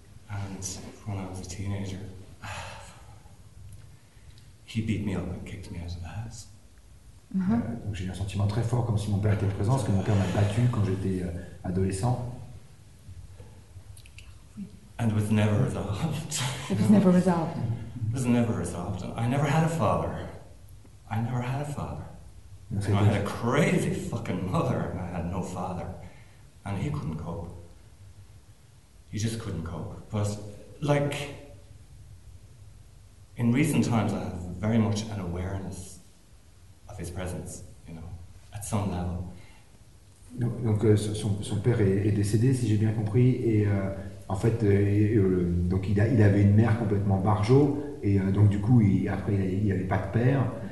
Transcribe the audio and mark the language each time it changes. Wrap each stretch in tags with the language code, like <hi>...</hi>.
<en>And when I was a teenager, he beat me up and kicked me out of the house.</en> <fr>Donc j'ai un sentiment très fort comme si mon père était présent, parce que mon père m'a battu quand j'étais adolescent.</fr> <en>And was never resolved. It was never resolved. It was never resolved. I never had a father. I never had a father. And I had a crazy fucking mother, and I had no father. And he couldn't cope. He just couldn't cope. But, like, in recent times, I have very much an awareness of his presence, you know, at some level.</en> <fr>Donc son père est décédé, si j'ai bien compris, et... En fait, donc il avait une mère complètement barjo, et donc du coup, après, il n'avait pas de père.</fr>